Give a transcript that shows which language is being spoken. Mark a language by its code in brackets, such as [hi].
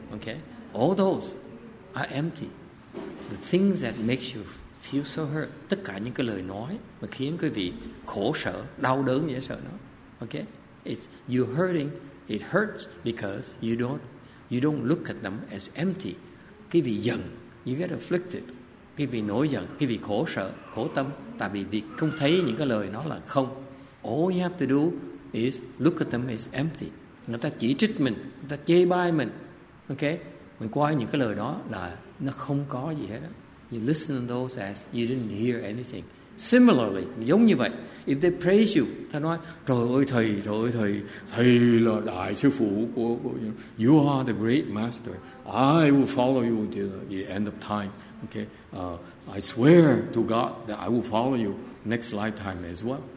[en] Okay, all those are empty. The things that makes you feel so hurt, [vi] tất cả những cái lời nói mà khiến quý vị khổ sở, đau đớn dễ sợ nó. [en] Okay, it's you hurting. It hurts because you don't look at them as empty. [vi] Quý vị giận, [en] you get afflicted. [vi] Quý vị nổi giận, quý vị khổ sở, khổ tâm, tại vì không thấy những cái lời nó là không. [en] All you have to do is look at them as empty. [vi] Người ta chỉ trích mình, người ta chê bai mình. [en] Okay? [vi] Mình coi những cái lời đó là nó không có gì hết. [en] You listen to those as you didn't hear anything. Similarly, [vi] giống như vậy, [en] if they praise you, [vi] ta nói, trời ơi thầy, thầy là đại sư phụ của you. [en] You are the great master. I will follow you until the end of time. Okay? I swear to God that I will follow you next lifetime as well.